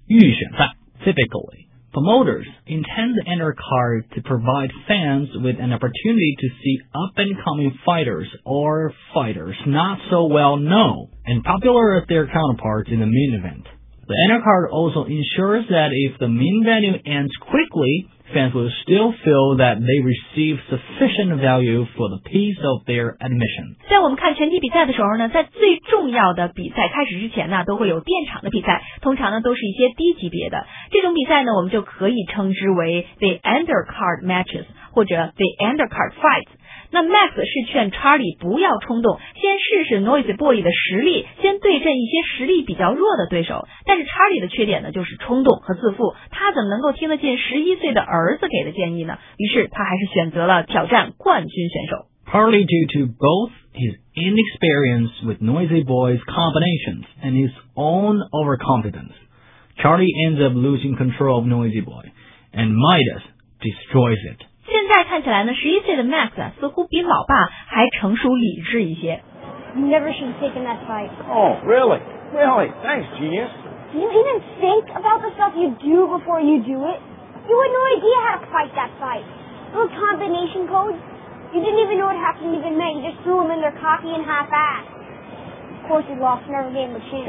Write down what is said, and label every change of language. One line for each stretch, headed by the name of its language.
English: 预选赛 Typically, promoters intend the undercard to provide fans with an opportunity to see up-and-coming fighters or fighters not so well-known and popular as their counterparts in the main event. The undercard also ensures that if the main venue ends quickly, fans will still feel that they receive sufficient value for the piece of their admission.
Chinese: 在我们看拳击比赛的时候呢，在最重要的比赛开始之前呢，都会有垫场的比赛，通常呢都是一些低级别的。这种比赛呢，我们就可以称之为 the undercard matches 或者 the undercard fights。那 Max 是劝 Charlie 不要冲动，先试试 Noisy Boy 的实力，先对阵一些实力比较弱的对手。但是 Charlie 的缺点呢，就是冲动和自负，他怎么能够听得进11岁的儿子给的建议呢？于是他还是选择了挑战冠军选手。
English: Partly due to both his inexperience with Noisy Boy's combinations and his own overconfidence, Charlie ends up losing control of Noisy Boy, and Midas destroys it.
Chinese: 现在看起来呢，11岁的 Max 啊，似乎比老爸还成熟理智一些。
English: You never should have taken that fight. Oh, really? Really? Thanks, genius. Do you even think about the stuff you do before you do it? You had no idea how to fight that fight. Those combination codes, you didn't even know what happened even then. You just threw them in their coffee and half-assed. Of course, you lost. Never gave him a chance.